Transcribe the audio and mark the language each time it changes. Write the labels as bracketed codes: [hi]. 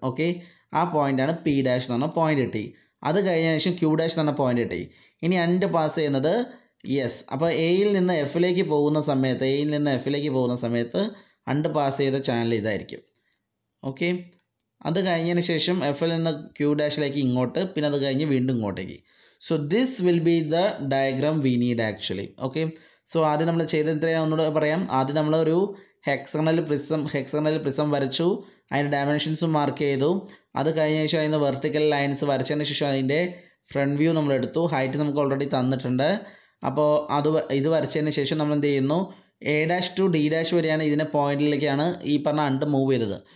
[ml] Okay, ആ പോയിന്റാണ് P dash എന്ന് പറഞ്ഞ പോയിന്റ് കിട്ടി. അത് കഴിഞ്ഞ ശേഷം ക്യൂ ഡാഷ് എന്ന് പറഞ്ഞ പോയിന്റ് കിട്ടി. ഇനി അണ്ട് പാസ് ചെയ്യുന്നത് യെസ്. അപ്പോൾ എയിൽ നിന്ന് എഫിലേക്ക് പോകുന്ന സമയത്ത്, എയിൽ നിന്ന് എഫിലേക്ക് പോകുന്ന സമയത്ത് അണ്ട് പാസ് ചെയ്ത ചാനൽ ഇതായിരിക്കും. ഓക്കെ, അത് കഴിഞ്ഞതിന് ശേഷം എഫിൽ നിന്ന് ക്യൂ ഡാഷിലേക്ക് ഇങ്ങോട്ട്, പിന്നെ അത് കഴിഞ്ഞ് വീണ്ടും ഇങ്ങോട്ടേക്ക്. [en] So this will be the diagram we need actually. Okay. [ml] So ആദ്യം നമ്മൾ ചെയ്തത് എത്രയാണ് ഒന്നുകൂടെ പറയാം. ആദ്യം നമ്മൾ ഒരു ഹെക്സഗണൽ പ്രിസം വരച്ചു, അതിൻ്റെ ഡയമെൻഷൻസും മാർക്ക് ചെയ്തു. അത് കഴിഞ്ഞ ശേഷം അതിൻ്റെ വെർട്ടിക്കൽ ലൈൻസ് വരച്ചതിന് ശേഷം അതിൻ്റെ ഫ്രണ്ട് വ്യൂ നമ്മൾ എടുത്തു. ഹൈറ്റ് നമുക്ക് ഓൾറെഡി തന്നിട്ടുണ്ട്. അപ്പോൾ അത് ഇത് വരച്ചതിന് ശേഷം നമ്മൾ എന്ത് ചെയ്യുന്നു, A dash to D dash വരെയാണ് ഇതിൻ്റെ പോയിൻറ്റിലേക്കാണ് ഈ പറഞ്ഞ അണ്ട് മൂവ് ചെയ്തത്.